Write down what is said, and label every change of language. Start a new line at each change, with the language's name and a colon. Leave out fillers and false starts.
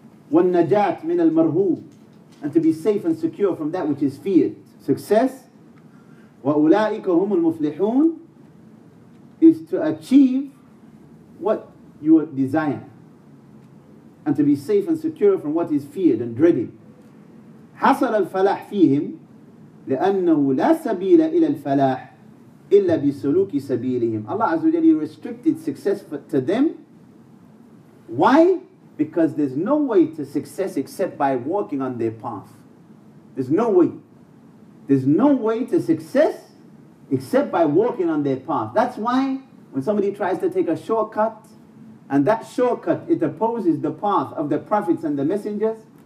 Arabic: Wal-najat min al-marhoob,
English: and to be safe and secure from that which is feared. Success,
Arabic: wa-ula'ika hum al-muflihoon,
English: is to achieve what you desire, and to be safe and secure from what is feared and dreaded.
Arabic: حصل الفلاح فيهم لأنه لا سبيل إلى الفلاح إلا بسلوك سبيلهم.
English: Allah Azza wa Jalla restricted success to them. Why? Because there's no way to success except by walking on their path. There's no way. There's no way to success except by walking on their path. That's why when somebody tries to take a shortcut, and that shortcut, it opposes the path of the prophets and the messengers.